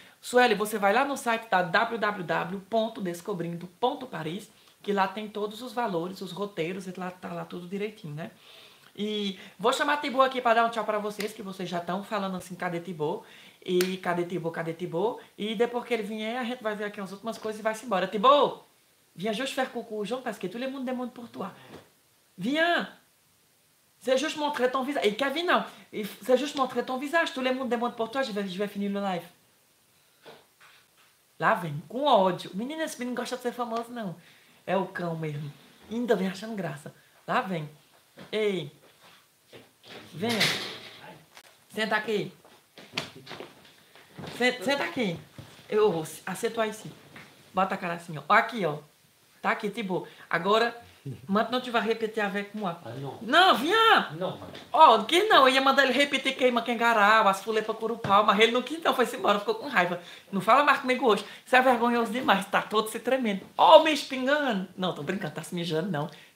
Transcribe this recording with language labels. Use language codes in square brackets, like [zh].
[pt] Sueli, você vai lá no site da www.descobrindo.paris, que lá tem todos os valores, os roteiros, e lá tá lá tudo direitinho, né? E vou chamar a Tibo aqui para dar um tchau para vocês, que vocês já estão falando assim, cadê Tibo? E cadê Tibo, cadê Tibo? E depois que ele vier, a gente vai ver aqui as últimas coisas e vai-se embora. Tibo! [fr] Vinha juste faire coucou, João Pesquete, le monde demande pour toi. Vinha! C'est juste montrer ton visage. Et Kevin, não. C'est juste montrer ton visage. Tout le monde demande pour toi, je vais finir le live. [pt] Lá vem, com ódio. Menina, esse menino não gosta de ser famoso, não. É o cão mesmo. Ainda vem achando graça. Lá vem. Ei. Vem. Senta aqui. Senta aqui. Eu aceito aí sim. Bota a cara assim, ó. Aqui, ó. Tá aqui, tipo. [fr] Agora, maintenant tu vas répéter avec moi. Ah, [pt] não. Não, vinha. Não. Ó, que não. Eu ia mandar ele repetir queima quengarau, as fulepa curupau, mas ele não quis, então foi embora. Ficou com raiva. Não fala mais comigo hoje. Isso é vergonhoso demais. Tá todo se tremendo. Ó, me espingando. Não, tô brincando. Tá se mijando, não.